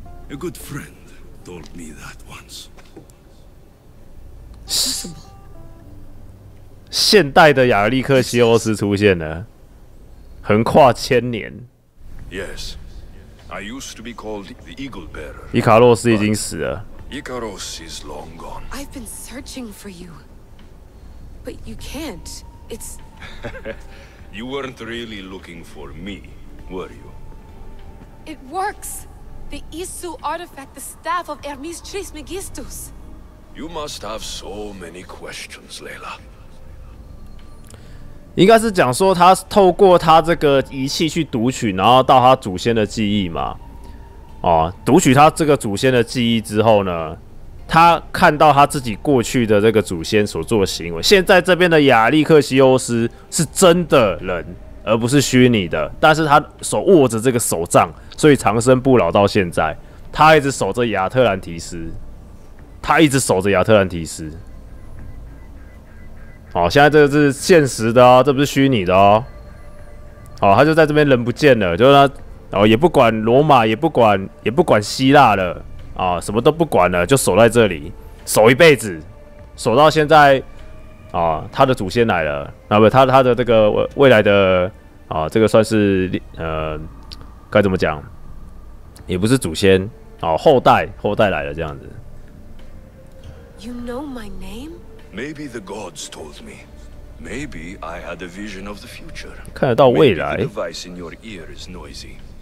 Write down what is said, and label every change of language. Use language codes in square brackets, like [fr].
[en] A good friend told me that once. [zh] 是什么？现代的亚历克西欧斯出现了，横跨千年。 [en] Yes, I used to be called the Eagle Bearer. [zh] 伊卡洛斯已经死了。 [en] Icarus is long gone. I've been searching for you, but you can't. It's. You weren't really looking for me, were you? It works. The Isu artifact, the staff of Hermes Trismegistus. You must have so many questions, Layla. [zh] 应该是讲说他透过他这个仪器去读取，然后到他祖先的记忆嘛。哦，读取他这个祖先的记忆之后呢，他看到他自己过去的这个祖先所做的行为。现在这边的亚历克西欧斯是真的人，而不是虚拟的。但是他手握着这个手杖，所以长生不老到现在，他一直守着亚特兰提斯，他一直守着亚特兰提斯。好、哦，现在这个是现实的哦，这不是虚拟的哦。好、哦，他就在这边人不见了，就是他。哦，也不管罗马，也不管希腊了，啊，什么都不管了，就守在这里，守一辈子，守到现在，啊，他的祖先来了，那、啊、不，他的这个未来的，啊，这个算是该怎么讲，也不是祖先，啊，后代来了这样子。 [en] You know my name? Maybe the gods told me. Maybe I had a vision of the future. [zh] 看得到未来。 [en] Maybe the device in your ear is noisy.